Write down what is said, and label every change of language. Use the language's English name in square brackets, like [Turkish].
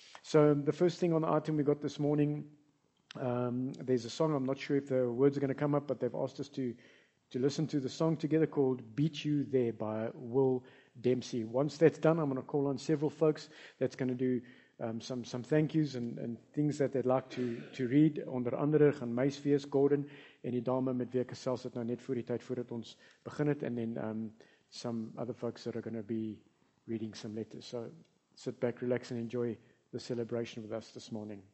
[English] So the first thing on the item we got this morning, there's a song. I'm not sure if the words are going to come up, but they've asked us to listen to the song together called Beat You There by Will Dempsey. Once that's done, I'm going to call on several folks that's going to do some thank yous and things that they'd like to read. [Afrikaans] Onder andere gaan Mays Fees, Gordon, en die dame met wie ek gesels het nou net voor die tyd voordat ons begin het. [English] And then some other folks that are going to be reading some letters. So sit back, relax, and enjoy the celebration with us this morning.